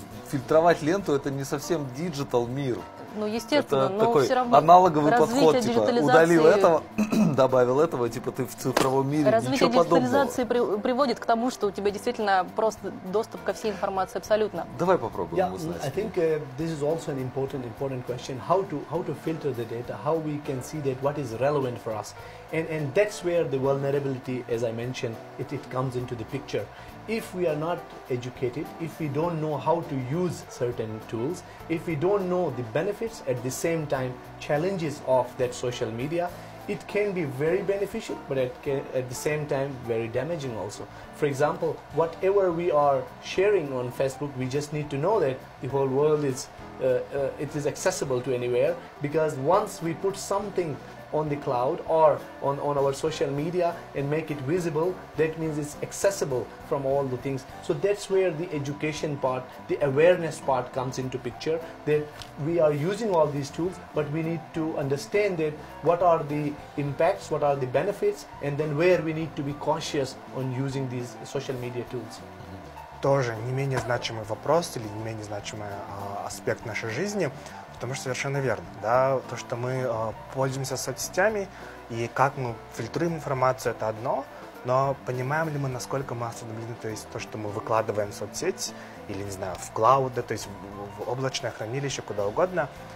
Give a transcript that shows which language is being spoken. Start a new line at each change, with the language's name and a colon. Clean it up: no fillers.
Russian: Фильтровать ленту – это не совсем диджитал мир. Ну, естественно, это но такой все равно аналоговый подход, типа, удалил этого, добавил этого, типа, ты в цифровом мире, развитие ничего подобного. Развитие диджитализации приводит к тому, что у тебя действительно просто доступ ко всей информации абсолютно. Давай попробуем узнать.
English: Yeah, I think this is also an important question, how to filter the data, how we can see that what is relevant for us. And that's where the vulnerability, as I mentioned, it comes into the picture. If we are not educated, if we don't know how to use certain tools, if we don't know the benefits at the same time challenges of that social media, it can be very beneficial, but at the same time very damaging also. For example, whatever we are sharing on Facebook, we just need to know that the whole world is it is accessible to anywhere, because once we put something on the cloud or on our social media and make it visible, that means it's accessible from all the things. So that's where the education part, the awareness part comes into picture, that we are using all these tools, but we need to understand that what are the impacts, what are the benefits, and then where we need to be cautious on using these social media tools.
Russian: Тоже не менее значимый вопрос или не менее значимый аспект нашей жизни. Потому что совершенно верно, да, то, что мы пользуемся соцсетями, и как мы фильтруем информацию, это одно, но понимаем ли мы, насколько мы осведомлены, то есть то, что мы выкладываем в соцсеть, или, не знаю, в клауд, да, то есть в облачное хранилище, куда угодно,